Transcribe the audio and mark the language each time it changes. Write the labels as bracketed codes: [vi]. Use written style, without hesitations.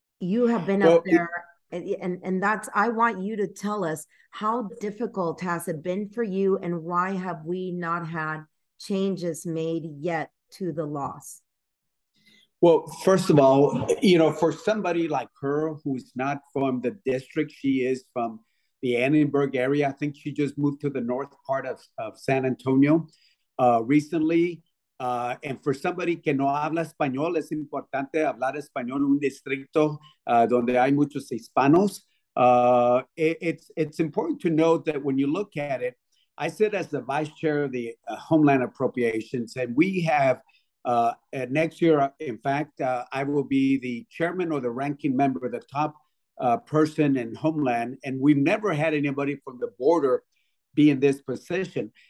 [en] You have been up there, and that's, I want you to tell us, how difficult has it been for you, and why have we not had changes made yet to the laws? Well, first of all, for somebody like her who's not from the district, she is from the Annenberg area. I think she just moved to the north part of San Antonio recently. And for somebody [es] que no habla español, es importante hablar español en un distrito donde hay muchos hispanos. [en] It's important to note that when you look at it, I sit as the vice chair of the Homeland Appropriations, and we have next year, in fact, I will be the chairman or the ranking member, the top person in Homeland, and we've never had anybody from the border be in this position.